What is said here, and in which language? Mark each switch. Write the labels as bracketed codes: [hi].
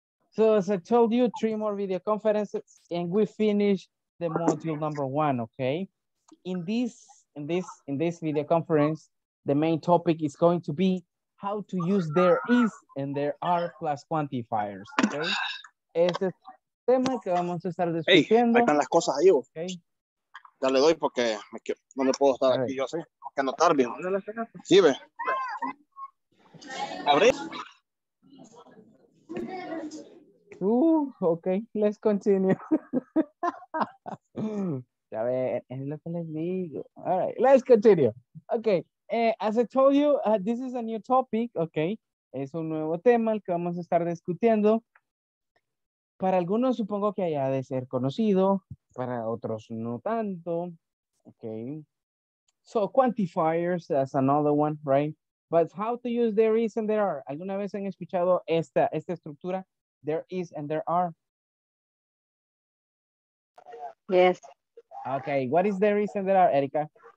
[en] So as I told you, three more video conferences and we finish the module number one, okay? In this video conference, the main topic is going to be how to use there is and there are plus quantifiers, okay? [es] Este es el tema que vamos a estar discutiendo. Hey, ahí están las cosas ahí, [en] okay? [es] Ya le doy porque no me puedo estar aquí, yo sé. Tengo que anotar bien. Sí, ve. ¿Abre? [en] Okay, let's continue. [es] A ver, es lo que les digo. [en] All right, let's continue. Okay, as I told you, this is a new topic, okay? [es] Es un nuevo tema el que vamos a estar discutiendo. Para algunos supongo que haya de ser conocido, para otros no tanto, okay? [en] So, quantifiers, that's another one, right? But how to use there is and there are. [es] ¿Alguna vez han escuchado esta estructura? [en] There is and there are. Yes. Okay. What is there is and there are, Erika?